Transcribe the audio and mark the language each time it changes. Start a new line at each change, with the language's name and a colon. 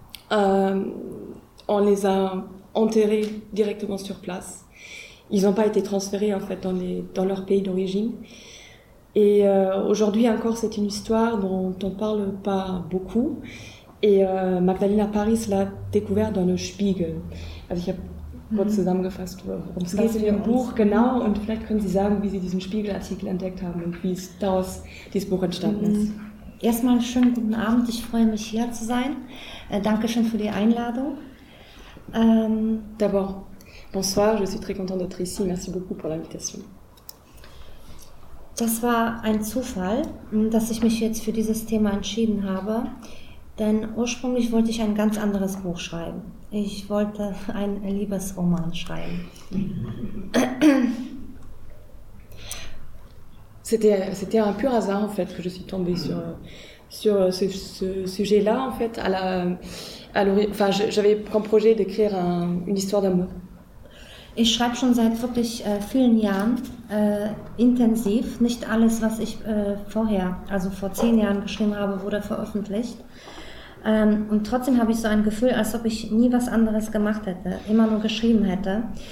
French: On les a enterrés directement sur place. Ils n'ont pas été transférés, en fait, dans leur pays d'origine. Et aujourd'hui encore, c'est une histoire dont on ne parle pas beaucoup. Et Magdalena Paris l'a découvert dans le Spiegel.
German: Also, ich habe kurz zusammengefasst, worum es geht in ihrem Buch, genau. Und vielleicht können Sie sagen, wie Sie diesen Spiegelartikel entdeckt haben und wie daraus dieses Buch entstanden ist. Erstmal schönen guten Abend, ich freue mich hier zu sein. Dankeschön für die Einladung.
French: D'abord, bonsoir, je suis très contente d'être ici. Merci beaucoup pour l'invitation.
German: Das war ein Zufall, dass ich mich jetzt für dieses Thema entschieden habe. Denn ursprünglich wollte ich ein ganz anderes Buch schreiben. Ich wollte einen Liebesroman schreiben.
French: C'était un pur hasard en fait que je suis tombée sur ce sujet-là en fait à la Enfin, j'avais comme projet d'écrire une histoire d'amour.
German: Ich schreibe schon seit wirklich vielen Jahren intensiv. Nicht alles, was ich vorher, also vor 10 Jahren geschrieben habe, wurde veröffentlicht. Und trotzdem habe ich so ein Gefühl, als ob ich nie was anderes gemacht hätte, immer nur geschrieben hätte.